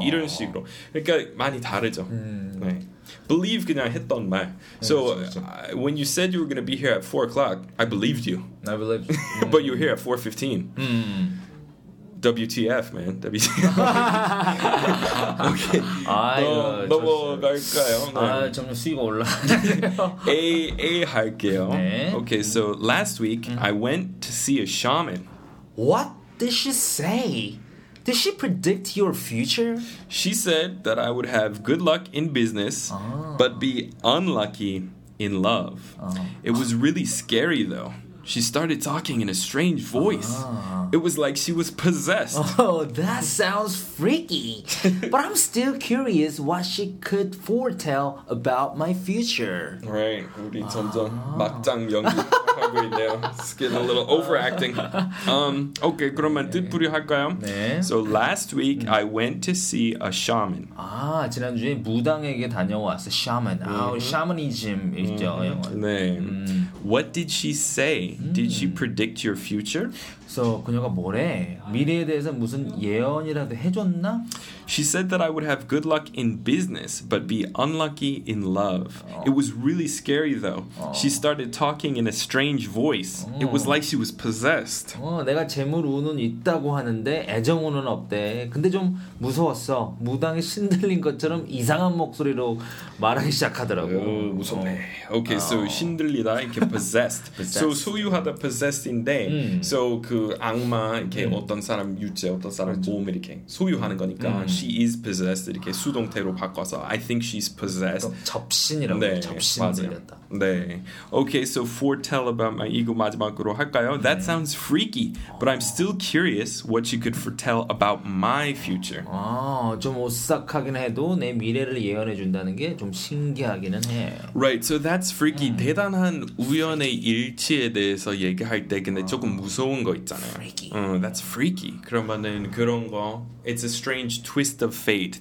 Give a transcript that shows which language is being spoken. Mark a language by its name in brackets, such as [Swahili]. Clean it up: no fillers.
[Korean] 이런 식으로 그러니까 많이 다르죠 네 believe 그냥 했던 말 네, [English] so when you said you were going to be here at 4 o'clock I believed you I believed you but you're here at 4:15 WTF man WTF okay. 아, [Korean] 너 뭐 갈까요? 아, 점점 수위가 올라가네요 A 할게요 네. [English] okay so last week I went to see a shaman what did she say? Did she predict your future? She said that I would have good luck in business, but be unlucky in love. It was really scary, though. She started talking in a strange voice. It was like she was possessed. Oh, that sounds freaky. But I'm still curious what she could foretell about my future. Right. [Korean] 우리 점점 막장 연기 하고 있네요. [English] It's getting a little overacting. Okay, [Korean] 그러면 뜻풀이 할까요? 네. [English] So last week, I went to see a shaman. [Korean] 아, 지난주에 무당에게 다녀왔어. [English] Shaman. Oh, shamanism [Korean] 있죠, 영어. [English] 네. What did she say? Did she predict your future? [Korean] So 그녀가 뭐래? 미래에 대해서 무슨 예언이라도 해줬나? [English] She said that I would have good luck in business, but be unlucky in love. It was really scary, though. She started talking in a strange voice. It was like she was possessed. [Korean] 내가 재물 운은 있다고 하는데 애정 운은 없대. 근데 좀 무서웠어. 무당에 신들린 것처럼 이상한 목소리로 말하기 시작하더라고. 무섭네. [English] Okay, so [Korean] 신들리다, 이렇게 possessed. So 소유하다 possessed인데, so 그 악마 이렇게 어떤 사람 유체 어떤 사람 몸 이렇게 소유하는 거니까. [English] She is possessed [Korean] 이렇게 수동태로 바꿔서 [English] I think she's possessed [Korean] 접신이라고 네, 접신 들렸다 [English] 네 Okay so foretell about my [Korean] 이거 마지막으로 할까요 [English] That sounds freaky But I'm still curious what she could foretell about my future [Korean] 아, 좀 오싹하긴 해도 내 미래를 예언해 준다는 게 좀 신기하기는 해 [English] Right so that's freaky [Korean] 대단한 우연의 일치에 대해서 얘기할 때 근데 조금 무서운 거 있잖아요 [English] Freaky That's freaky [Korean] 그러면은 그런 거 [English] It's a strange twist of fate.